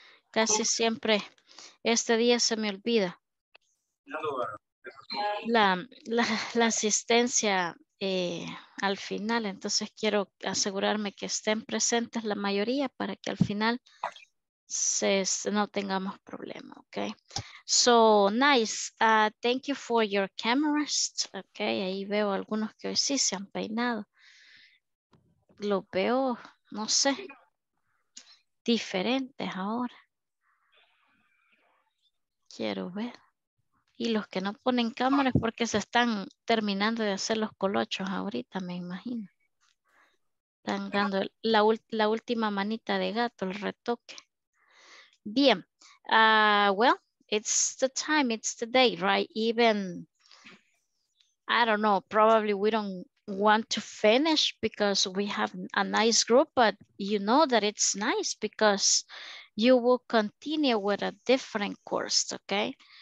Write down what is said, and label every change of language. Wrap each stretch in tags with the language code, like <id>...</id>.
<es>Casi siempre este día se me olvida la asistencia al final, entonces quiero asegurarme que estén presentes la mayoría para que al final no tengamos problema, okay?</es> <en>So nice, thank you for your cameras, okay?</en> <es>Ahí veo algunos que hoy sí se han peinado, lo veo, no sé, diferentes ahora, quiero ver. Y los que no ponen cámaras porque se están terminando de hacer los colochos ahorita, me imagino. Están dando la última manita de gato, el retoque. Bien.</es> <en>Well, it's the time, it's the day, right? Even, I don't know, probably we don't want to finish because we have a nice group, but you know that it's nice because you will continue with a different course, okay?</en>